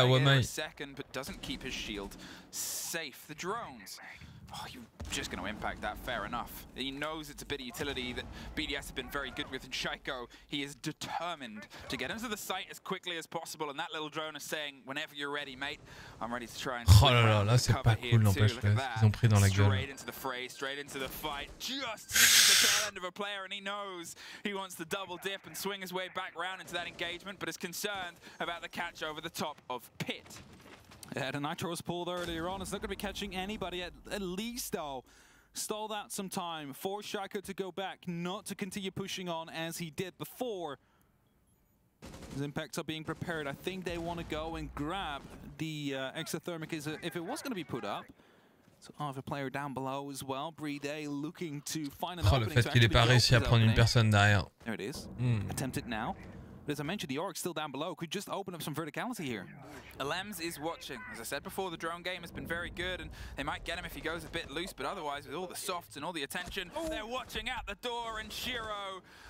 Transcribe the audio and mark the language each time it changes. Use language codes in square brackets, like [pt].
[en] in a second, but doesn't keep his shield safe. The drones. Oh, you're just going to impact that, fair enough. He knows it's a bit of utility that BDS have been very good with, and Shaiko, he is determined to get into the site as quickly as possible, and that little drone is saying, whenever you're ready, mate, I'm ready to try and... [fr] Oh là là, là c'est pas cool, n'empêche, ils ont pris dans la gueule. [en] Straight into the fray, straight into the fight, just the tail end of a player, and he knows he wants to double dip and swing his way back round into that engagement, but is concerned about the catch over the top of Pit. Yeah, the nitro was pulled earlier on. It's not going to be catching anybody. At least, though, stall that some time for Shaiko to go back, not to continue pushing on as he did before. His impacts are being prepared. I think they want to go and grab the exothermic if it was going to be put up. So I have a player down below as well. Breedé looking to find an opening. [fr] Oh, le fait qu'il ait pas réussi à prendre une personne derrière. [en] There it is. Attempt it now. But as I mentioned, the orc still down below could just open up some verticality here. Alems is watching. As I said before, the drone game has been very good, and they might get him if he goes a bit loose, but otherwise, with all the softs and all the attention, they're watching out the door, and Shiro